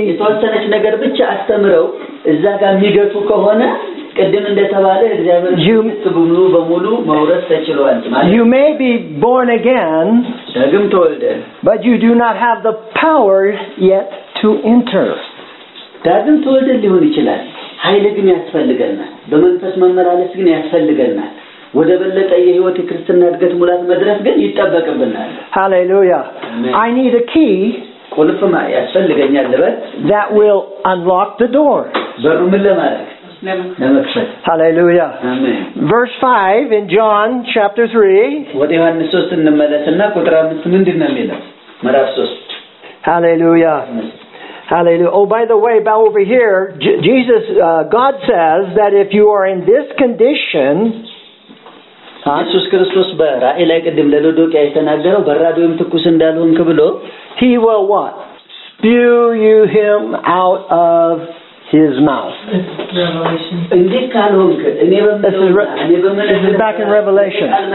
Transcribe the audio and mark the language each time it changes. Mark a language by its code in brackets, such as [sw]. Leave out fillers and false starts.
[am] የተወሰነች ነገር ብቻ አስተምረው እዛ ጋር የሚገቱ ከሆነ ቀደም እንደተባለ እግዚአብሔር ትብሉ በሙሉ መውረስ ተችሏል ማለት [en] You may be born again, [am] ዳግም ተወልደ [en] but you do not have the power yet to enter. [am] ዳግም ተወልደ ሊሆን ይችላል ኃይል ግን ያስፈልገናል በመንፈስ መመራለስ ግን ያስፈልገናል ወደ በለጠ የህይወት ክርስትና እድገት ሙላት መድረስ ግን ይጠበቅብናል [en] ሃሌሉያ I need a key [am] ቁልፍ ማለት ያስፈልገኛል [en] that will unlock the door [am] በሩን ለማለክ [en] Hallelujah. Amen. Verse 5 in John chapter 3. [am] ወደ ዮሐንስ 3 እንመለስና ቁጥር 5 ምንድን ነው የሚለው? ምዕራፍ 3. [en] Hallelujah. Hallelujah. Oh by the way, about over here, Jesus God says that if you are in this condition, [am] ኢየሱስ ክርስቶስ በራእይ ላይ ቀደም ለሎዶቅያ የተናገረው በራዶም ትኩስ እንዳልሆንክ ብሎ [en] He will what? Spew you him out of his mouth. This is back in Revelation.